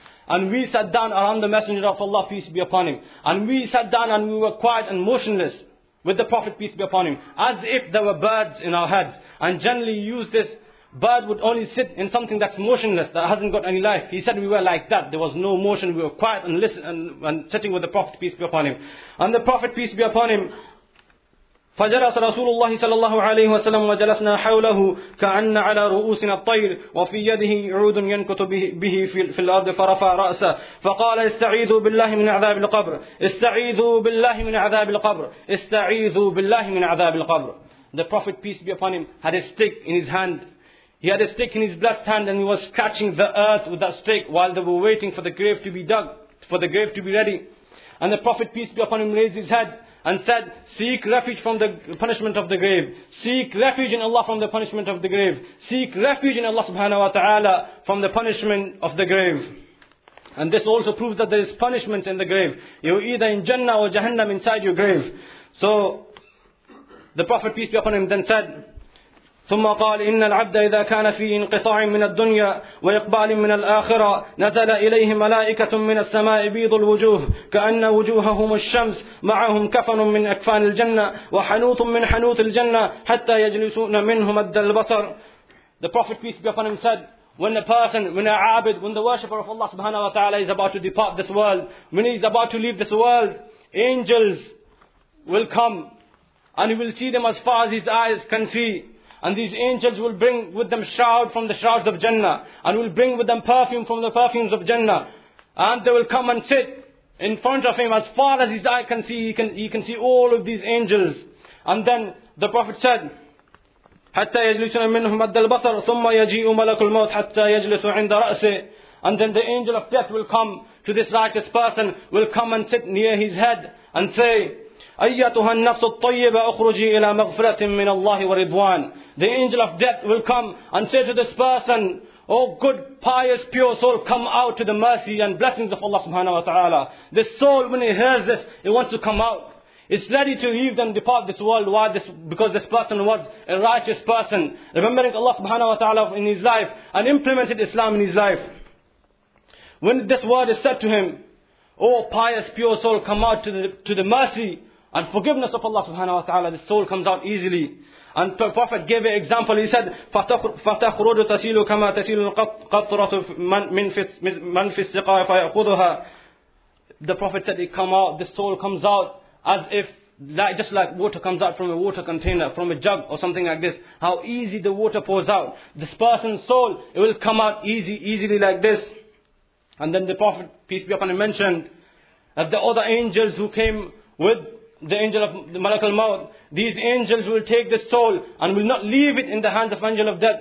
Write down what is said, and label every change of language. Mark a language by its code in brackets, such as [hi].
[en] And we sat down around the Messenger of Allah, peace be upon him. And we sat down and we were quiet and motionless with the Prophet, peace be upon him, as if there were birds in our heads. And generally use this. Bird would only sit in something that's motionless, that hasn't got any life. He said we were like that. There was no motion. We were quiet and listen and sitting with the Prophet, peace be upon him. And the Prophet, peace be upon him, [ar] فجلس رسول الله صلى الله عليه وسلم وجلسنا حوله كأن على رؤوسنا الطير وفي يده عود ينكت به في الأرض فرفع رأسه فقال استعيذوا بالله من عذاب القبر استعيذوا بالله من عذاب القبر استعيذوا بالله من عذاب القبر. [en] The Prophet, peace be upon him, had a stick in his hand. He had a stick in his blessed hand and he was scratching the earth with that stick while they were waiting for the grave to be dug, for the grave to be ready. And the Prophet, peace be upon him, raised his head and said, seek refuge from the punishment of the grave. Seek refuge in Allah from the punishment of the grave. Seek refuge in Allah subhanahu wa ta'ala from the punishment of the grave. And this also proves that there is punishment in the grave. You're either in Jannah or Jahannam inside your grave. So the Prophet, peace be upon him, then said, [ar] ثم قال إن العبد إذا كان في انقطاع من الدنيا وإقبال من الآخرة نزل إليه ملائكة من السماء بيض الوجوه كأن وجوههم الشمس معهم كفن من أكفان الجنة وحنوط من حنوط الجنة حتى يجلسون منهم مد البصر. [en] The Prophet, peace be upon him, said, when a abid, when the worshipper of Allah subhanahu wa ta'ala is about to depart this world, when he's about to leave this world, angels will come and he will see them as far as his eyes can see. And these angels will bring with them shroud from the shrouds of Jannah, and will bring with them perfume from the perfumes of Jannah. And they will come and sit in front of him as far as his eye can see. He can see all of these angels. And then the Prophet said, [ar] حَتَّى يَجْلِسُنَ مِنْهُمْ أَدَّ الْبَصَرُ ثُمَّ يَجِئُ مَلَكُ الْمَوْتِ حَتَّى يَجْلِسُ عِنْدَ رَأْسِ. [en] And then the angel of death will come to this righteous person, will come and sit near his head and say, [ar] أَيَّتُهَا النَّفْسُ الطَّيِّبَةُ أُخْرُجِي إِلَى مَغْفِرَةٍ مِّنَ اللَّهِ وَرِضْوَانٍ. [en] The angel of death will come and say to this person, O good, pious, pure soul, come out to the mercy and blessings of Allah subhanahu wa ta'ala. This soul, when he hears this, it wants to come out. It's ready to leave and depart this world. Why? Because this person was a righteous person, remembering Allah subhanahu wa ta'ala in his life and implemented Islam in his life. When this word is said to him, O pious, pure soul, come out to the mercy and forgiveness of Allah subhanahu wa ta'ala, the soul comes out easily. And the Prophet gave an example. He said, [ar] فَتَخْرُجُ تَسِيلُ كَمَا تَسِيلُ قَطْرَةُ مَنْ فِي السِّقَاءِ فَيَأْخُذُهَا. [en] The Prophet said, the soul comes out as if, just like water comes out from a water container, from a jug or something like this. How easy the water pours out. This person's soul, it will come out easily like this. And then the Prophet, peace be upon him, mentioned that the other angels who came with the angel of the Malak al-Maut, these angels will take this soul and will not leave it in the hands of angel of death.